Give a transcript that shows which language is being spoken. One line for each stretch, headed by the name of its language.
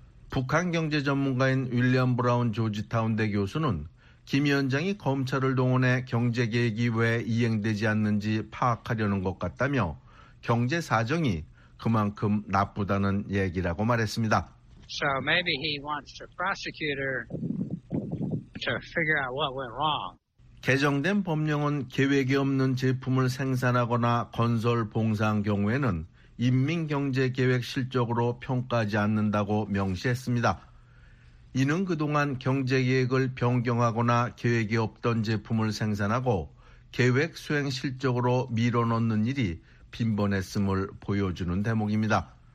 Korean: 북한 경제 전문가인 윌리엄 브라운 조지타운대 교수는 김 위원장이 검찰을 동원해 경제계획이 왜 이행되지 않는지 파악하려는 것 같다며 경제 사정이 그만큼 나쁘다는 얘기라고 말했습니다.
English: So maybe he wants the prosecutor to figure out what went wrong.
Korean: 개정된 법령은 계획이 없는 제품을 생산하거나 건설 봉사한 경우에는 인민경제계획 실적으로 평가하지 않는다고 명시했습니다. 이는 그동안 경제계획을 변경하거나 계획이 없던 제품을 생산하고 계획 수행 실적으로 밀어넣는 일이 빈번했음을 보여주는 대목입니다.